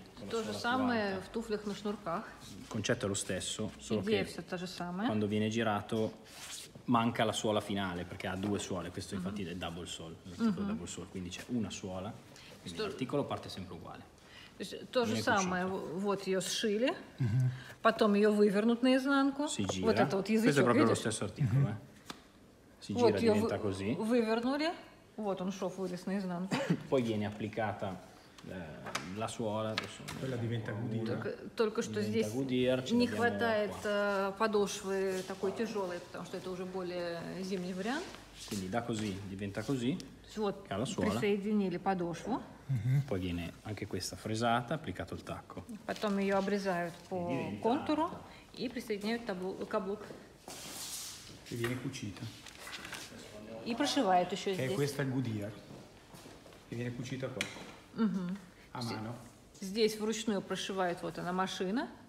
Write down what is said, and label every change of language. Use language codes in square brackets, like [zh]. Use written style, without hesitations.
[ru] То же самое в туфлях на шнурках. [it] Концепт lo stesso, solo [ru] идея все та же самая. [it] Quando viene girato manca la suola finale, perché ha due suole. Questo infatti è [en] double sole, double sole. [it] Quindi c'è una suola. L'articolo parte sempre uguale. [ru] То же Мне самое, вот ее сшили, потом ее вывернут наизнанку, вот это вот язычок, видишь? Это просто вот ее così. Вывернули, вот он шов вылез наизнанку. [it] Poi viene applicata la suola, quella diventa goudir. [ru] Только что здесь goudir, не хватает подошвы такой тяжелой, потому что это уже более зимний вариант. [it] Quindi da così diventa così. [ru] Вот присоединили подошву. [it] Poi viene anche questa fresata, applicato il tacco. [ru] Потом ее обрезают по контуру и присоединяют каблук. [it] E viene cucita. [ru] И прошивают еще здесь. [it] È questa goudir. E viene cucita qua. A mano. [ru] Здесь вручную прошивают, вот она машина.